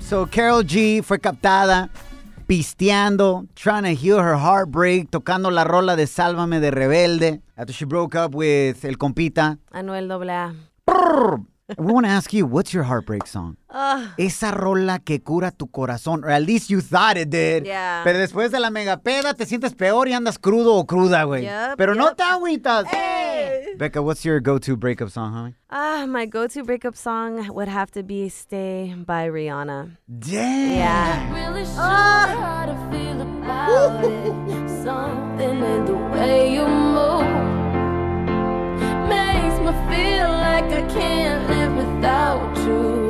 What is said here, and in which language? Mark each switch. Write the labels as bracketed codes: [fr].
[es] So Carol G fue captada pisteando, [en] trying to heal her heartbreak, [es] tocando la rola de Sálvame de Rebelde. [en] After she broke up with El Compita. Anuel AA. Brrr. We want to ask you, what's your heartbreak song? [es] Esa rola que cura tu corazón. [en] Or at least you thought it did. Yeah. [es] Pero después de la mega peda, te sientes peor y andas crudo o cruda, güey. [en] Yep, [es] pero [en] yep. [es] No te agüitas. [en] Hey. Becca, what's your go-to breakup song, honey? My go-to breakup song would have to be Stay by Rihanna. Damn. Yeah. Really sure how to feel about it. Something in the way you move makes me feel like I can't live without you.